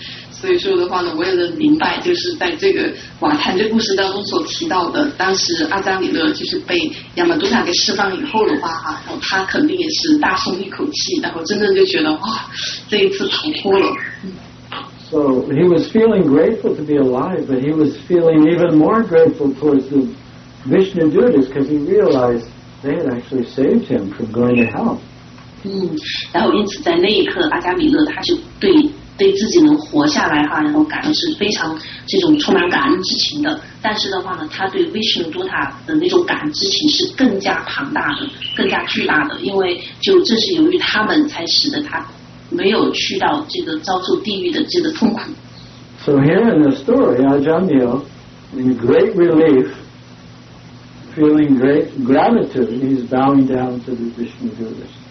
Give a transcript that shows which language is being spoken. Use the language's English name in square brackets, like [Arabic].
[Chinese] 所以说的话呢，我也能明白，就是在这个瓦坦这故事当中所提到的，当时阿扎米勒就是被亚玛杜塔给释放以后的话，然后他肯定也是大松一口气，然后真的就觉得哇，这一次逃脱了。 [English] So he was feeling grateful to be alive, but he was feeling even more grateful towards the Vishnu Dutas because he realized they had actually saved him from going to hell. [Chinese] 然后因此在那一刻阿加米勒他就对自己能活下来然后感到是非常这种充满感恩之情的但是的话呢他对威士努多塔的那种感知情是更加庞大的更加巨大的因为就正是由于他们才使得他没有去到这个遭受地狱的这个痛苦 [English] So here in the story Ajahn-myo in great relief feeling great gratitude he's bowing down to the Vishnu Dutas